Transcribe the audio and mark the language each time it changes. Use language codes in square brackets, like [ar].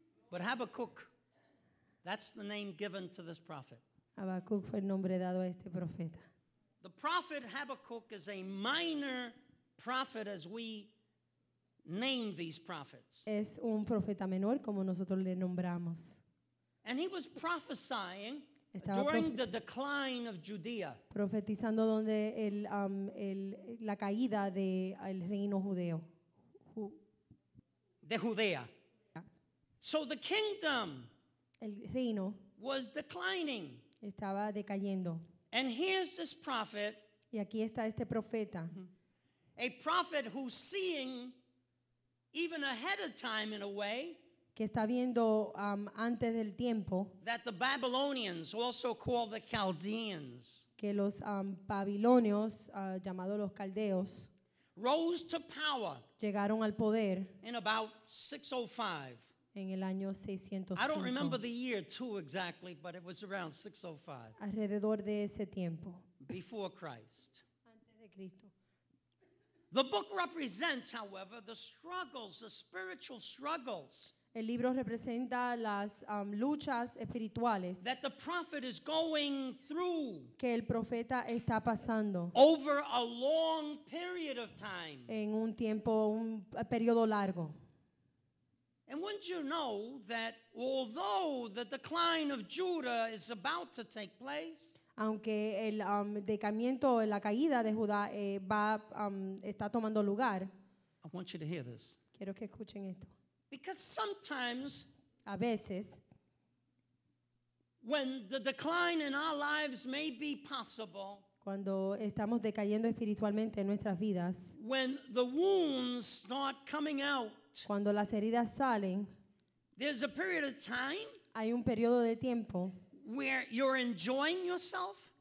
[en] But Habakkuk, that's the name given to this prophet. [es] Habakkuk fue el nombre dado a este profeta. [en] The prophet Habakkuk is a minor prophet as we name these prophets. [es] Es un profeta menor, como nosotros le nombramos. [en] And he was prophesying during the decline of Judea. [es] Profetizando donde la caída de el reino judeo. De Judea. [en] So the kingdom, [es] el reino, [en] was declining. [es] Estaba decayendo. [en] And here's this prophet. [es] Y aquí está este profeta. [en] A prophet who's seeing even ahead of time in a way. [es] Que está viendo antes del tiempo. [en] That the Babylonians, also called the Chaldeans. [es] Que los babilonios, llamados los caldeos. [en] Rose to power. [es] Llegaron al poder. [en] In about 605. [es] En el año 605. [en] I don't remember the year too exactly, but it was around 605. [es] Alrededor de ese tiempo. [en] Before Christ. [es] Antes de Cristo. [en] The book represents, however, the struggles, the spiritual struggles. [es] El libro representa las luchas espirituales. [en] That the prophet is going through. [es] Que el profeta está pasando. [en] Over a long period of time. [es] En un tiempo, un periodo largo. [en] And wouldn't you know that although the decline of Judah is about to take place, [es] aunque el decaimiento, la caída de Judá va está tomando lugar, [en] I want you to hear this. [es] Quiero que escuchen esto. [en] Because sometimes, [es] a veces, [en] when the decline in our lives may be possible, [es] cuando estamos decayendo espiritualmente en nuestras vidas, [en] when the wounds start coming out, [es] cuando las heridas salen, [en] there's a period of time, [es] hay un periodo de tiempo, [en] where you're enjoying yourself,